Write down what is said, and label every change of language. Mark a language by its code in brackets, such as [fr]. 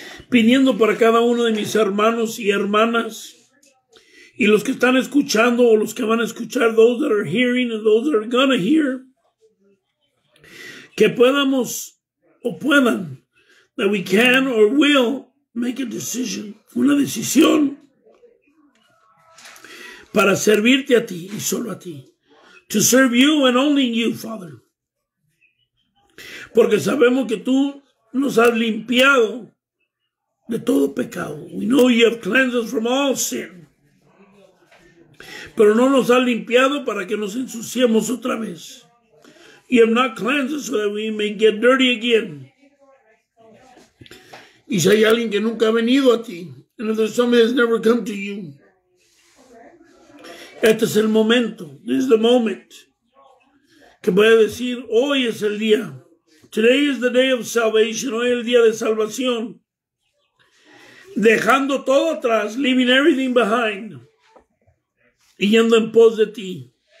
[es] Pidiendo para cada uno de mis hermanos y hermanas. Y los que están escuchando o los que van a escuchar. [en] Those that are hearing and those that are going to hear. [es] Que podamos o puedan. [en] That we can or will make a decision. [es] Una decisión. Para servirte a ti y solo a ti. [en] To serve you and only you, Father. [es] Porque sabemos que tú nos has limpiado de todo pecado. [en] We know you have cleansed us from all sin. [es] Pero no nos has limpiado para que nos ensuciemos otra vez. [en] You have not cleansed us so that we may get dirty again. [es] Y si hay alguien que nunca ha venido a ti. [en] And if there's somebody that's never come to you. [es] Este es el momento. [en] This is the moment. [es] Que voy a decir, hoy es el día [en] Today is the day of salvation. [es] Hoy es el día de salvación. Dejando todo atrás, [en] leaving everything behind. [es] Y yendo en pos de ti.